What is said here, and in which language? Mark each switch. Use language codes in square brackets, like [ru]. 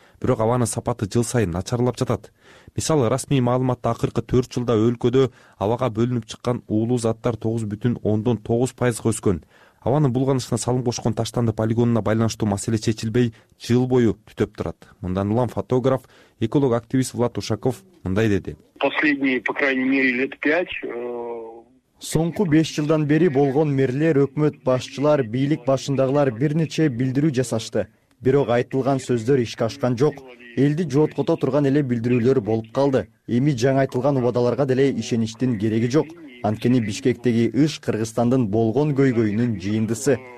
[ky] Бирок абанын сапаты жыл сайын начарлап жатат. Мисалы, расмий маалыматта акыркы 4 жылда өлкөдө абага бөлүнүп чыккан уулуу заттар 9.9% өскөн. Абанын булганышына салым кошкон Таштанды полигонуна байланыштуу маселе чечилбей, жыл бою түтөп турат. Мындан улам фотограф, эколог-активист Влад Ушаков мындай деди. [ru] Последние, по крайней мере, лет 5. [ky] Соңку 5 жылдан бери болгон мэрлер, өкмөт башчылар, бийлик башындагылар бир нече билдирүү жасашты. Бирок айтылган сөздөр ишке ашкан жок. Элди жооткото турган эле билдирүүлөр болуп калды. Эми жаңы айтылган убадаларга деле ишеничтин кереги жок. Анткени Бишкектеги ыш Кыргызстандын болгон көйгөйүнүн жыйындысы.